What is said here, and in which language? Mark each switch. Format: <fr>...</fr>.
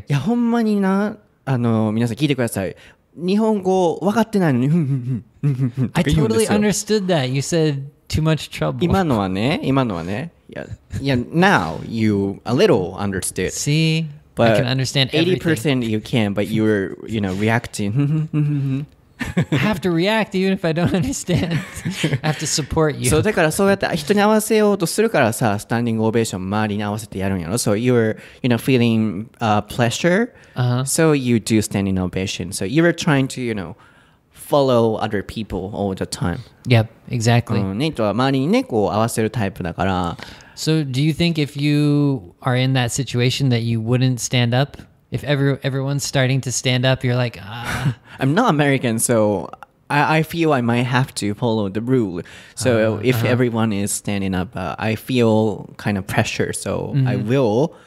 <ja>いやほんまにな皆さん聞いてください日本語分かってないのに</ja> <en>I totally understood that You said Too much trouble.</en> <ja>今のはね、今のはね、</ja> <en>yeah, now you a little understood. See, but I can understand everything. 80% you can, but you're, you know, reacting. I have to react even if I don't understand. I have to support you.</en> <ja>そう、だからそうやって人に合わせようとするからさ、スタンディングオベーション周りに合わせてやるんやろ。</ja> <en>So you're, you know, feeling pleasure. So you do standing ovation. So you were trying to, you know,follow other people all the time. Yep, exactly.</en> <ja>Nate は周りにね、こう合わせるタイプだから。</ja> <en>So do you think if you are in that situation that you wouldn't stand up? If everyone's starting to stand up, you're like, ah. I'm not American, so I feel I might have to follow the rule. So if everyone is standing up, I feel kind of pressure, so I will.</en>